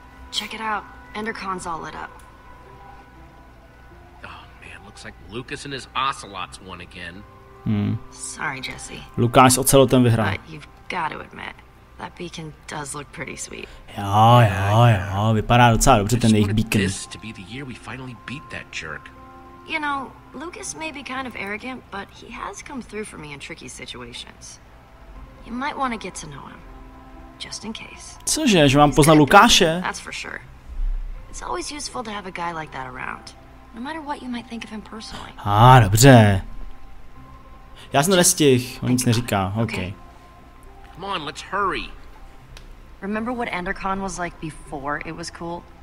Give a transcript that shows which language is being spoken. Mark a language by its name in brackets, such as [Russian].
[English] Check it out. Endercon's all lit up. Oh man, looks like Lucas and his ocelots won again. Sorry, Jesse. [Czech] Lucas ocelotem vyhrál. [English] But you've got to admit, that beacon does look pretty sweet. [Czech] Jo, vypadá docela dobře ten jejich beacon. [English] This to be the year we finally beat that jerk. You know, Lucas may be kind of arrogant, but he has come through for me in tricky situations. You might want to get to know him, just in case. [Czech] Cože, že mám poznat Lukáše? [English] That's for sure. It's always useful to have a guy like that around, no matter what you might think of him personally. [Czech] Dobře. Já jsem nestih, on nic neříká, okay. [English] Come on, let's hurry. Remember what Endercon was like before it was cool?